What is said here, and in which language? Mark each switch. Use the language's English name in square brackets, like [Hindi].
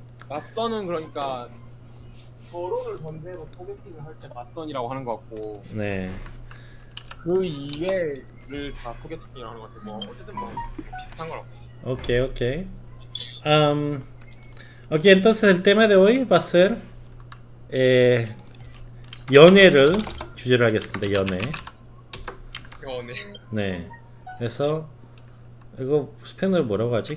[Korean] 맞선은 그러니까 결혼을 전제로 소개팅을 할 때 맞선이라고 하는 것 같고 네. 그 이외를 다 소개팅이라고 하는 것 같고 뭐 어쨌든 뭐 비슷한 거라고 보죠. 오케이 오케이. [Spanish] Ok, entonces el tema de hoy va a ser [Korean] 연애를 주제로 하겠습니다. 연애. 연애. 네. 그래서 이거 스페인어로 뭐라고 하지?